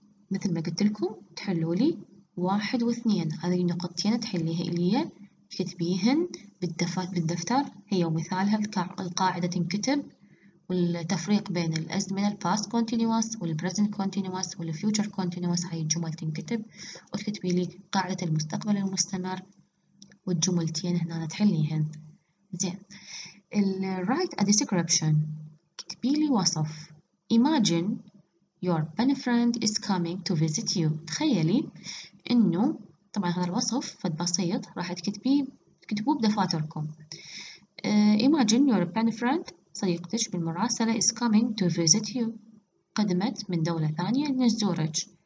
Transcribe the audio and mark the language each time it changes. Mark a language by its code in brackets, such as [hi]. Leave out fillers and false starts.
[ar] مثل ما قلت لكم تحلوا لي 1 و2 هذه النقطتين تحليها إلي تكتبيهن بالدفتر هي ومثالها القاعدة تنكتب والتفريق بين الأزمنة الباست كونتينيوس والبريزنت كونتينيوس والفيوتشر كونتينيوس هاي الجمل تنكتب وتكتبي لي قاعدة المستقبل المستمر والجملتين هنا تحليهن. زين [en] write a description [ar] كتبي لي وصف. [en] Imagine your best friend is coming to visit you. [ar] تخيلي انه طبعا هذا الوصف فد بسيط راح تكتبوه بدفاتركم. [en] Imagine your best friend [ar] صديقتك بالمراسلة [en] is coming to visit you [ar] قدمت من دولة ثانية لنزورك.